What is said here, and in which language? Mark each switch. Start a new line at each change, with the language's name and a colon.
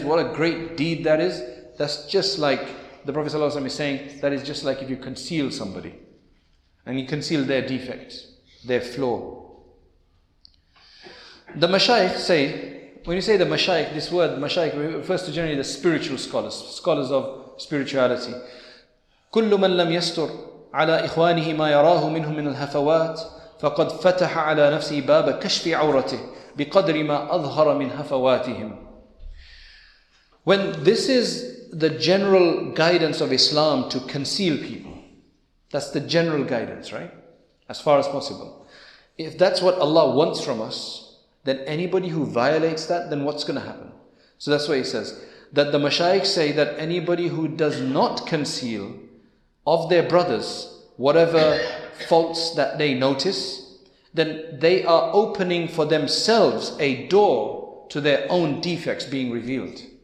English: What a great deed that is. That's just like the Prophet ﷺ is saying, that is just like if you conceal somebody and you conceal their defect, their flaw. The mashayikh say, when you say the mashayikh, this word mashayikh refers to generally the spiritual scholars, scholars of spirituality.
Arabic: كل من لم يستر على إخوانه ما يراه منهم من الهفوات فقد فتح على نفسه باب كشف عورته بقدر ما أظهر من هفواتهم.
English: When this is the general guidance of Islam to conceal people, that's the general guidance, right? As far as possible. If that's what Allah wants from us, then anybody who violates that, then what's going to happen? So that's why he says that the mashayikh say that anybody who does not conceal of their brothers whatever faults that they notice, then they are opening for themselves a door to their own defects being revealed.